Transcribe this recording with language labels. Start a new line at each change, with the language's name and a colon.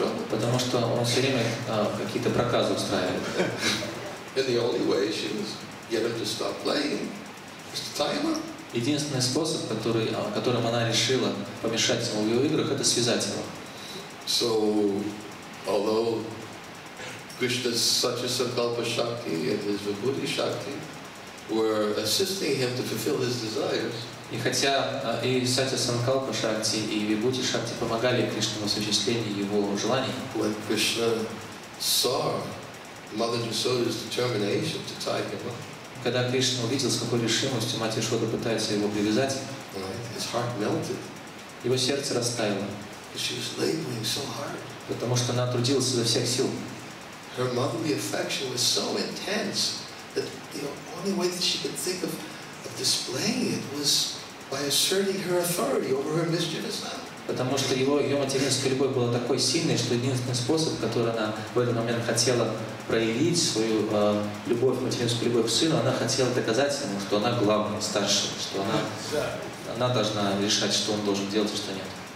Russian: Потому что он все время какие-то проказы устраивает.
English: And the only way she was get him to stop playing was to tie him up.
Russian: Единственный способ, которым она решила помешать ему в его играх, это связать его.
English: So, although Krishna such as Sankalpa Shakti and his Vibhuti Shakti were assisting him to fulfill his desires,
Russian: и хотя и Сатья Санкалпа Шакти и Вибхути Шакти помогали Кришне в осуществлении его желаний,
English: when Krishna saw Mother Jasoda's determination to tie him up.
Russian: Когда Кришна увидел, с какой решимостью мать Ишода пытается его привязать,
English: his heart melted.
Russian: Его сердце растаяло.
English: She was laboring so hard.
Russian: Потому что она трудилась изо всех сил.
English: Her motherly affection was so intense that the only way that she could think of displaying it was by asserting her authority over her mischievous son.
Russian: Потому что ее материнская любовь была такой сильной, что единственный способ, который она в этот момент хотела проявить свою любовь, материнскую любовь к сыну, она хотела доказать ему, что она главная, старшая, что она должна решать, что он должен делать и что нет.